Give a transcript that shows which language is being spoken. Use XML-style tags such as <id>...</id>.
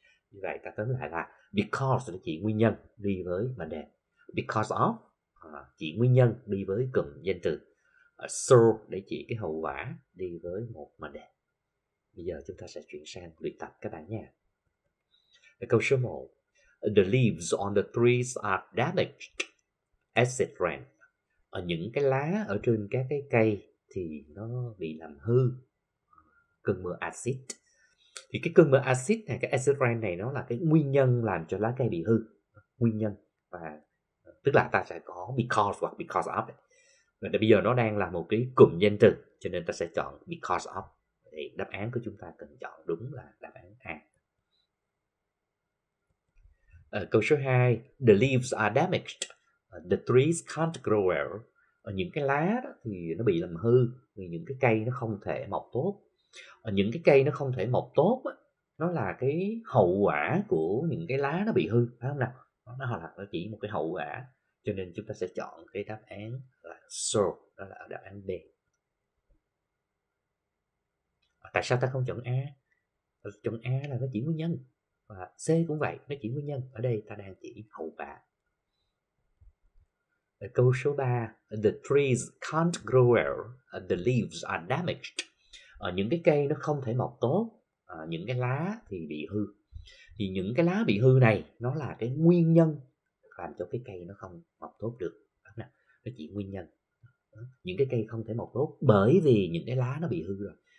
<vi>Như vậy ta tóm lại là because là chỉ nguyên nhân đi với mệnh đề. Because of chỉ nguyên nhân đi với cụm danh từ. So để chỉ cái hậu quả đi với một mệnh đề. Bây giờ chúng ta sẽ chuyển sang luyện tập các bạn nha. Câu số 1.</vi> <en>The leaves on the trees are damaged as it rains.</en> <vi>Ở những cái lá ở trên các cái cây thì nó bị làm hư cơn mưa acid. Thì cái cơn mưa acid này, cái acid rain này nó là cái nguyên nhân làm cho lá cây bị hư, nguyên nhân. Và tức là ta sẽ có because hoặc because of. Và bây giờ nó đang là một cái cụm danh từ cho nên ta sẽ chọn because of. Thì đáp án của chúng ta cần chọn đúng là đáp án A. Câu số 2,</vi> <en>the leaves are damaged, the trees can't grow well.</en> <vi>Những cái lá đó thì nó bị làm hư, vì những cái cây nó không thể mọc tốt. Những cái cây nó không thể mọc tốt đó, nó là cái hậu quả của những cái lá nó bị hư, phải không nào? Nó chỉ một cái hậu quả, cho nên chúng ta sẽ chọn cái đáp án là so, đó là đáp án B. Tại sao ta không chọn A? Chọn A là nó chỉ nguyên nhân. Và C cũng vậy, nó chỉ nguyên nhân, ở đây ta đang chỉ hậu quả. Câu số 3,</vi> <en>the trees can't grow well, the leaves are damaged.</en> <vi>Những cái cây nó không thể mọc tốt, những cái lá thì bị hư. Thì những cái lá bị hư này nó là cái nguyên nhân làm cho cái cây nó không mọc tốt được. Nó chỉ nguyên nhân. Những cái cây không thể mọc tốt bởi vì những cái lá nó bị hư rồi.</vi>